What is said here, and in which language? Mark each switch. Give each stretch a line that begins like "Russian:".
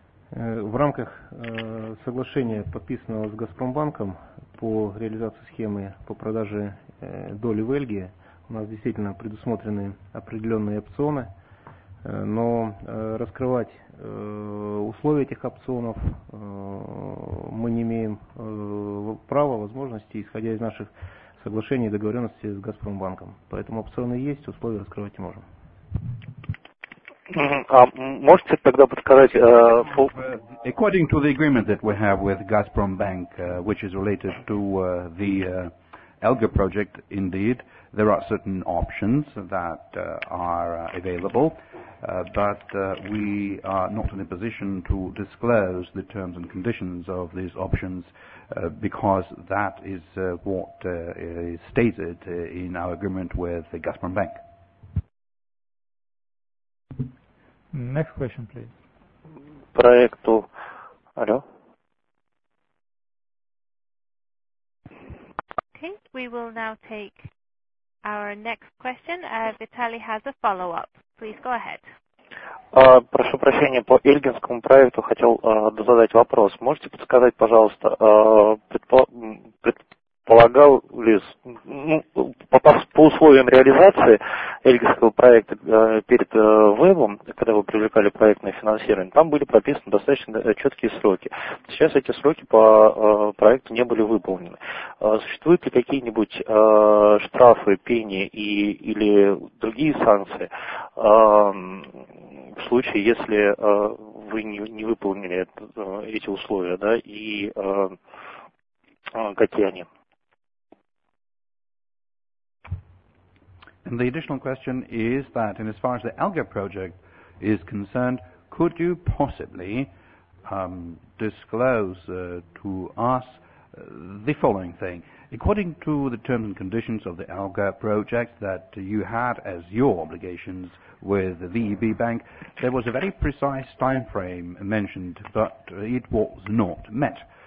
Russian: в рамках соглашения, подписанного с Газпромбанком по реализации схемы по продаже доли в Эльге, у нас действительно предусмотрены определенные опционы, но раскрывать условия этих опционов мы не имеем права, возможности, исходя из наших соглашений и договоренности с Газпромбанком. Поэтому опционы есть, условия раскрывать не можем. Можете тогда подсказать
English: According to the agreement that we have with Gazprombank, which is related to the Elga project, indeed, there are certain options that are available, but we are not in a position to disclose the terms and conditions of these options because that is what is stated in our agreement with the Gazprombank. Next question, please.
Russian: Проекту. Алло.
English: Okay, we will now take our next question. Vitaly has a follow-up. Please go ahead.
Russian: Прошу прощения, по Ильгинскому проекту хотел задать вопрос. Можете подсказать, пожалуйста, предполагал ли, по условиям реализации Эльгинского проекта перед ВЭБом, когда вы привлекали проектное финансирование, там были прописаны достаточно четкие сроки. Сейчас эти сроки по проекту не были выполнены. Существуют ли какие-нибудь штрафы, пени или другие санкции в случае, если вы не выполнили эти условия, да, и какие они?
English: And the additional question is that, in as far as the Elga project is concerned, could you possibly disclose to us the following thing? According to the terms and conditions of the Elga project that you had as your obligations with the VEB Bank, there was a very precise time frame mentioned, but it was not met.